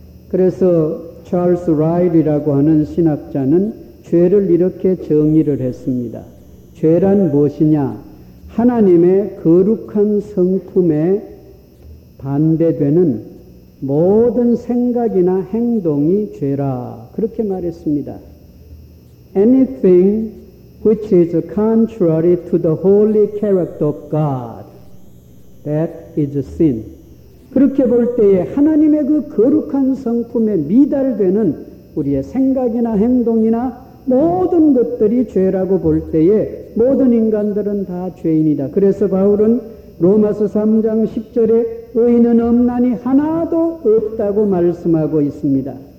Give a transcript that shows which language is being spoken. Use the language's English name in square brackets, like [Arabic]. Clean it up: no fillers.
[Korean] 그래서 찰스 라일이라고 하는 신학자는 죄를 이렇게 정의를 했습니다. 죄란 무엇이냐? 하나님의 거룩한 성품에 반대되는 모든 생각이나 행동이 죄라. 그렇게 말했습니다. [English] Anything which is contrary to the holy character of God, that is sin. [Korean] 그렇게 볼 때에 하나님의 그 거룩한 성품에 미달되는 우리의 생각이나 행동이나 모든 것들이 죄라고 볼 때에 모든 인간들은 다 죄인이다. 그래서 바울은 로마서 3장 10절에 의인은 없나니 하나도 없다고 말씀하고 있습니다.